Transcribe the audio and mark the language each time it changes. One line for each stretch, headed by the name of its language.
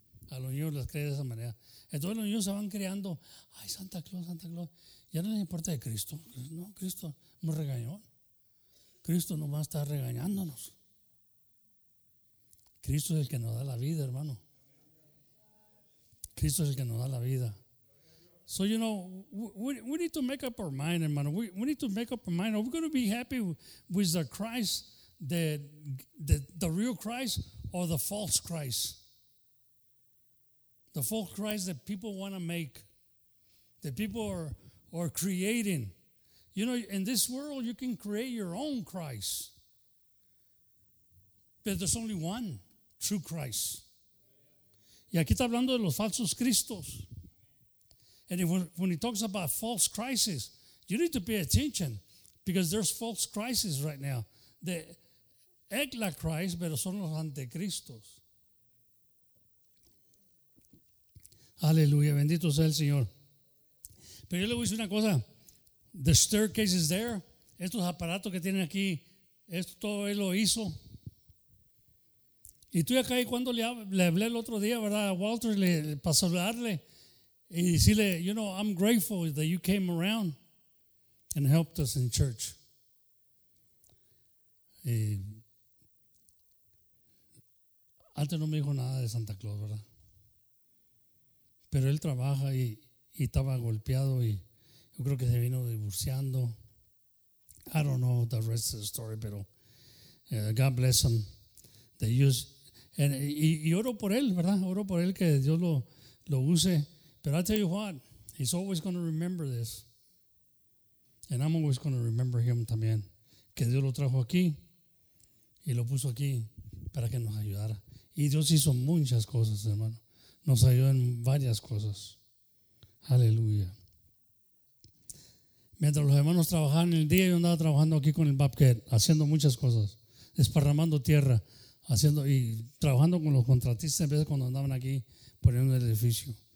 Spanish: A los niños los cree de esa manera. Entonces los niños se van creando, ay, Santa Claus, Santa Claus, ya no les importa de Cristo. No, Cristo nos regañó. Cristo no va a estar regañándonos. Cristo es el que nos da la vida, hermano. Cristo es el que nos da la vida.
English: So, you know, we need to make up our mind, hermano. We need to make up our mind. Are we going to be happy with the Christ, the real Christ, or the false Christ? The false Christ that people want to make, that people are creating. You know, in this world, you can create your own Christ. But there's only one true Christ.
Spanish: Y aquí está hablando de los falsos Cristos.
English: And when he talks about false crises, you need to pay attention because there's false crises right now. The Antichrist,
Spanish: pero son los anticristos. Aleluya, bendito sea el Señor. Pero yo le voy a decir una cosa.
English: The staircase is there.
Spanish: Estos aparatos que tienen aquí, esto todo él lo hizo. Y tú acá, y cuando le hablé el otro día, ¿verdad? A Walter, para saludarle. Y decirle,
English: you know, I'm grateful that you came around and helped us in church.
Spanish: Y antes no me dijo nada de Santa Claus, ¿verdad? Pero él trabaja y estaba golpeado y yo creo que se vino divorciando.
English: I don't know the rest of the story, pero God bless him.
Spanish: Y oro por él, ¿verdad? Oro por él que Dios lo use.
English: But I'll tell you what, he's always going to remember this. And I'm always going to remember him también.
Spanish: Que Dios lo trajo aquí y lo puso aquí para que nos ayudara. Y Dios hizo muchas cosas, hermano. Nos ayudó en varias cosas. Aleluya. Mientras los hermanos trabajaban el día, yo andaba trabajando aquí con el Bobcat, haciendo muchas cosas, desparramando tierra, haciendo y trabajando con los contratistas en vez de cuando andaban aquí poniendo el edificio.